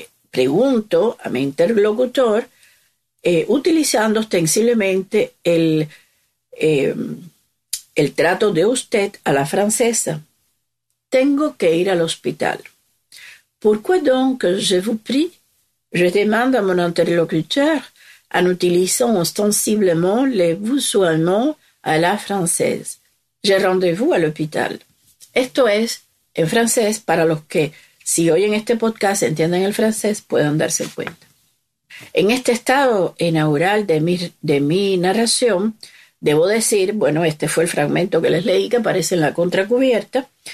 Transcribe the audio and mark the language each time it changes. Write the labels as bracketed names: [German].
[Spanish] Pregunto a mi interlocutor, utilizando ostensiblemente el trato de usted a la francesa. Tengo que ir al hospital. [French] Pourquoi donc, je vous prie? Je demande à mon interlocuteur en utilisant ostensiblement le vous soignement à la française. J'ai rendez-vous à l'hôpital. [Spanish] Esto es, en francés, para los que, si oyen este podcast, entienden el francés, puedan darse cuenta. En este estado inaugural de mi narración, debo decir, bueno, este fue el fragmento que les leí, que aparece en la contracubierta,